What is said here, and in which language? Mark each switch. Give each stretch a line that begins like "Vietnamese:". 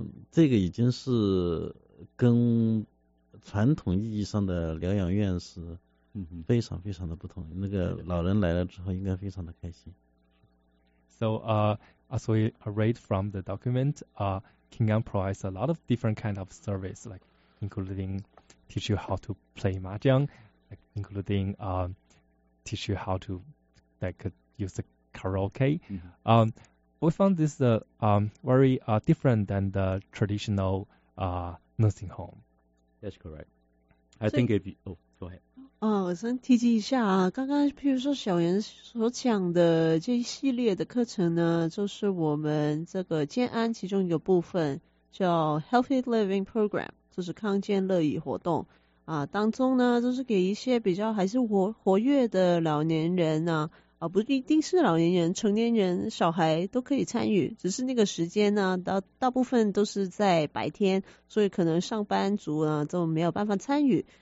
Chinese: 这个已经是跟传统意义上的疗养院是非常非常的不同。那个老人来了之后，应该非常的开心。
English: So we read from the document, King An provides a lot of different kind of service, like including teach you how to play mahjong, like including teach you how to like use the karaoke. We found this very different than the traditional nursing home. That's correct. I think
Chinese: 提及一下啊，刚刚譬如说小袁所讲的这一系列的课程呢，就是我们这个健安其中一个部分叫 Healthy Living Program， 就是康健乐椅活动啊，当中呢就是给一些比较还是活跃的老年人呢， 不一定是老年人，成年人、小孩都可以参与，只是那个时间呢大部分都是在白天，所以可能上班族呢就没有办法参与。